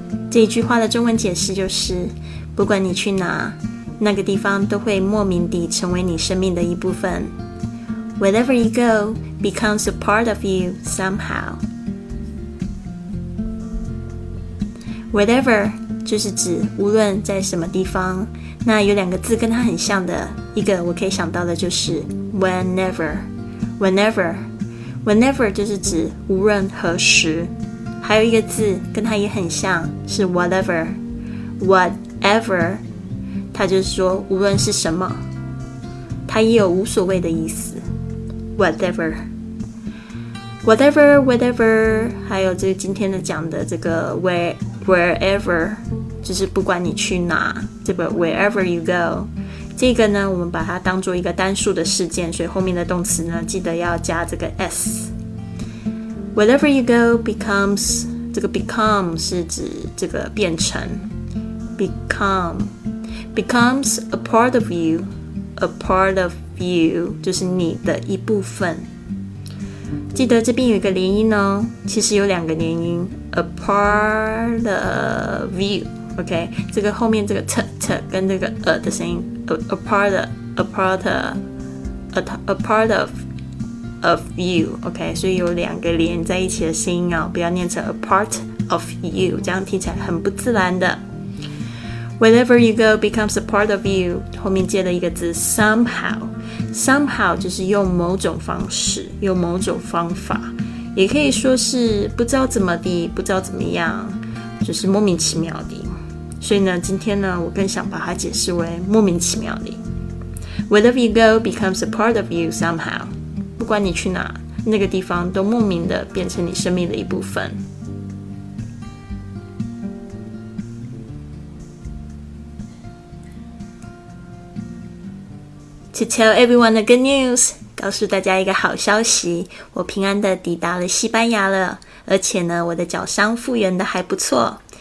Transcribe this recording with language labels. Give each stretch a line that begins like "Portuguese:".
Chinese: 这一句话的中文解释就是，不管你去哪，那个地方都会莫名地成为你生命的一部分。
English: Wherever you go becomes a part of you somehow.
Chinese: Wherever 就是指无论在什么地方，那有两个字跟它很像的，一个我可以想到的就是 whenever. Whenever, whenever 就是指无论何时。还有一个字跟它也很像，是 whatever. Whatever, 它就是说无论是什么，它也有无所谓的意思。
English: Whatever, whatever, whatever.
Chinese: 还有这今天的讲的这个 wherever, 就是不管你去哪，这个
English: wherever you go,
Chinese: 这个呢，我们把它当做一个单数的事件，所以后面的动词呢，记得要加这个 s。
English: Wherever you go becomes, 这个 become
Chinese: 是指这个变成
English: becomes a part of you, a part of you
Chinese: 就是你的一部分。记得这边有一个连音哦，其实有两个连音
English: a part of you,
Chinese: OK, 这个后面这个 t, t 跟这个 a 的声音 a part of you, OK, 所以有两个连在一起的声音哦，不要念成 a part of you, 这样听起来很不自然的。
English: Wherever you go becomes a part of you,
Chinese: 后面接了一个字 somehow, somehow 就是用某种方式，用某种方法，也可以说是不知道怎么的，不知道怎么样，就是莫名其妙的。所以呢，今天呢，我更想把它解释为莫名其妙的。
English: Wherever you go becomes a part of you somehow.
Chinese: 不管你去哪，那个地方都莫名的变成你生命的一部分。
English: To tell everyone the good news,
Chinese: 告诉大家一个好消息，我平安的抵达了西班牙了，而且呢，我的脚伤复原的还不错。